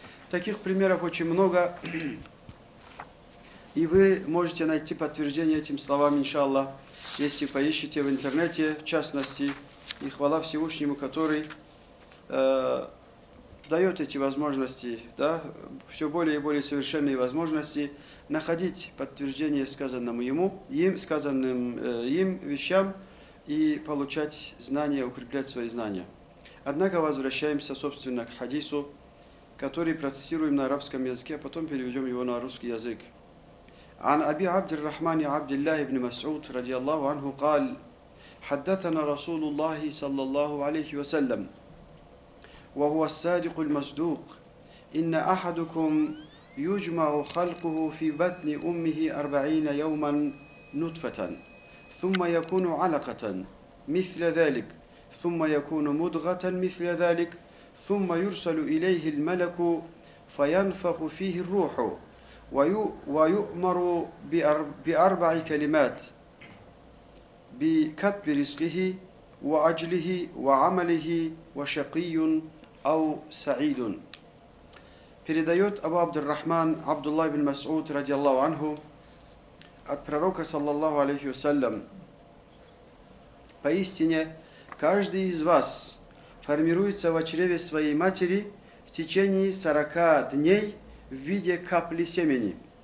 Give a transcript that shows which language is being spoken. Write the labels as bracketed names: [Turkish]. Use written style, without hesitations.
[Russian] Таких примеров очень много, и вы можете найти подтверждение этим словам, иншаллах, если поищете в интернете, в частности, и хвала Всевышнему, который дает эти возможности, да, все более и более совершенные возможности находить подтверждение сказанному ему, им, сказанным им вещам и получать знания, укреплять свои знания. Однако возвращаемся, собственно, к хадису, который процитируем на арабском языке, а потом переведем его на русский язык. [Arabic] عن أبي عبد الرحمن عبد الله بن مسعود رضي الله عنه قال حدثنا رسول الله صلى الله عليه وسلم وهو الصادق المصدوق إن أحدكم يجمع خلقه في بطن أمه 40 يوما نطفة ثم يكون علقة مثل ذلك ثم يكون مضغة مثل ذلك ثم يرسل إليه الملك فينفخ فيه الروح ويؤمر بأربع كلمات بكتب رزقه وأجله وعمله وشقي أو سعيد. [Russian] Передает Абу Абдур-Рахман Абдуллах бин Масуд ради Аллаху анху от пророка саллаллаху алейхи вассалям: поистине каждый из вас формируется в чреве своей матери в течение 40 дней в виде капли семени.